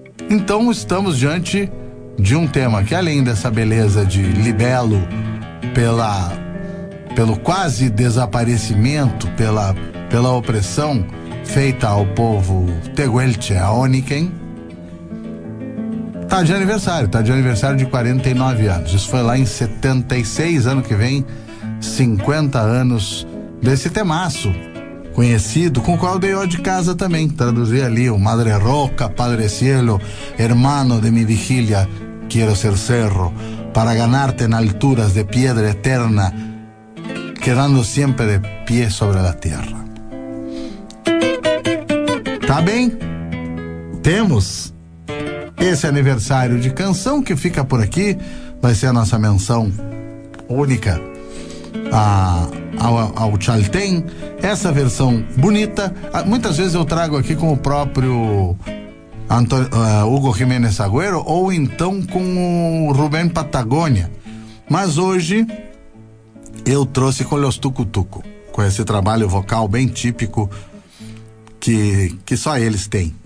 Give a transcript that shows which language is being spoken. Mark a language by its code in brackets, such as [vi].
[pt] Então estamos diante de um tema que, além dessa beleza de libelo pelo quase desaparecimento, pela opressão feita ao povo Tehuelche, Aoniken, tá de aniversário de 49 anos. Isso foi lá em 76, ano que vem, 50 anos desse temaço conhecido, com o qual dei hoje de casa também. Traduzi ali o [es] Madre Roca, Padre Cielo, hermano de mi vigilia, quiero ser cerro, para ganarte en alturas de piedra eterna, quedando siempre de pie sobre la tierra. [pt] Tá bem? Temos esse aniversário de canção que fica por aqui, vai ser a nossa menção única ao Chalten, essa versão bonita. Muitas vezes eu trago aqui com o próprio Hugo Jiménez Agüero, ou então com o Rubén Patagonia, mas hoje eu trouxe com Los Tucutuco, com esse trabalho vocal bem típico que só eles têm.